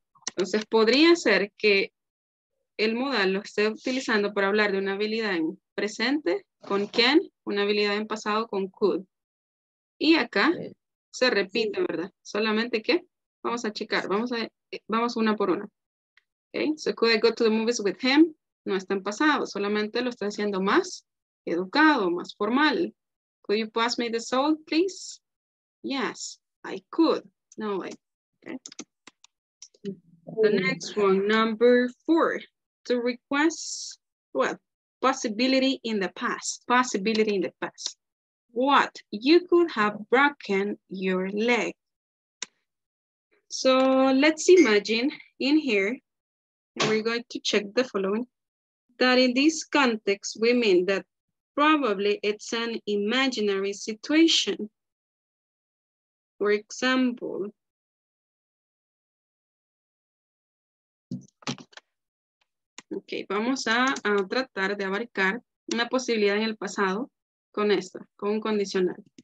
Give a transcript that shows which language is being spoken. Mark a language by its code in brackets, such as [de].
[es] Entonces, podría ser que el modal lo esté utilizando para hablar de una habilidad en presente con can, una habilidad en pasado con could. Y acá sí. Se repite, sí. ¿Verdad? Solamente que vamos a checar, vamos una por una. Okay. [en] So, could I go to the movies with him? [es] No está en pasado, solamente lo está haciendo más educado, más formal. [en] Could you pass me the salt, please? Yes, I could. No way. Okay. The next one, number four, to request, well, possibility in the past. Possibility in the past. what? You could have broken your leg. So let's imagine in here, we're going to check the following, that in this context, we mean that probably it's an imaginary situation. For example, okay, [es] vamos a tratar de abarcar una posibilidad en el pasado con esta, con un condicional.